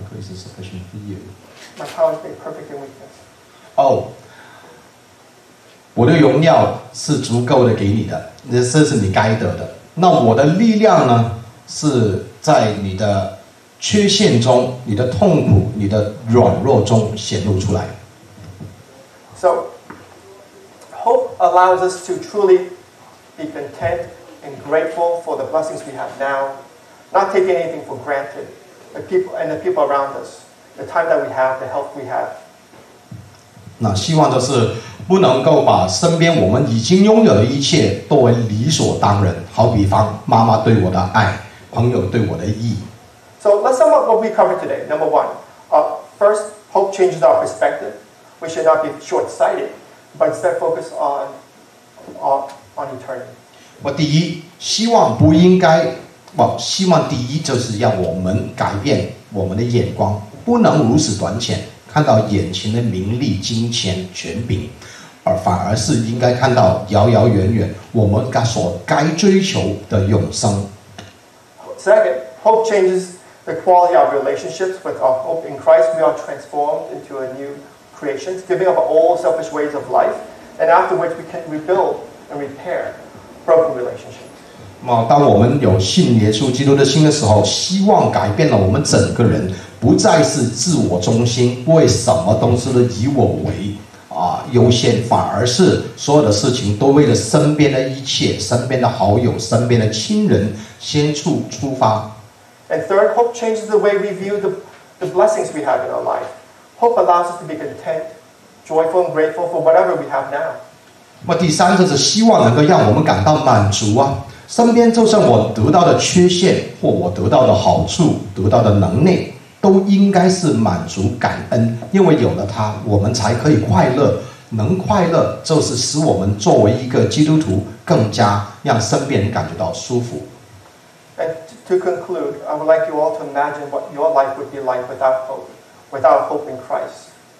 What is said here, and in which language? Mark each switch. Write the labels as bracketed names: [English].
[English] My grace is sufficient for you. My power is made perfect in weakness. [Chinese] 我的荣耀是足够的给你的，这是你该得的。那我的力量呢，是在你的缺陷中、你的痛苦、你的软弱中显露出来。 [English] So, hope allows us to truly be content and grateful for the blessings we have now, not taking anything for granted, the people around us, the time that we have, the health we have. [Chinese] 那希望就是不能够把身边我们已经拥有的一切作为理所当然，好比方妈妈对我的爱，朋友对我的意义。 [English] So let's sum up what we covered today. Number one, first, hope changes our perspective. We should not be short-sighted, but instead focus on eternity. [Chinese] 第一，希望不应该，希望第一就是要我们改变我们的眼光，不能如此短浅，看到眼前的名利、金钱、权柄，而反而是应该看到遥遥远远我们所该追求的永生。 [English] Second, hope changes the quality of relationships. With our hope in Christ, we are transformed into a new creation, giving up all selfish ways of life, and after which we can rebuild and repair broken relationships. [Chinese] 当我们有信耶稣基督的心的时候，希望改变了我们整个人，不再是自我中心，为什么东西都以我为优先，反而是所有的事情都为了身边的一切、身边的好友、身边的亲人先出发。 [English] And third, hope changes the way we view the blessings we have in our life. Hope allows us to be content, joyful, and grateful for whatever we have now. [Chinese] 第三就是希望能够让我们感到满足啊，身边就算我得到的缺陷或我得到的好处、得到的能力，都应该是满足感恩，因为有了它我们才可以快乐，能快乐就是使我们作为一个基督徒更加让身边人感觉到舒服。 [English] And to conclude, I would like you all to imagine what your life would be like without hope, without hope in Christ.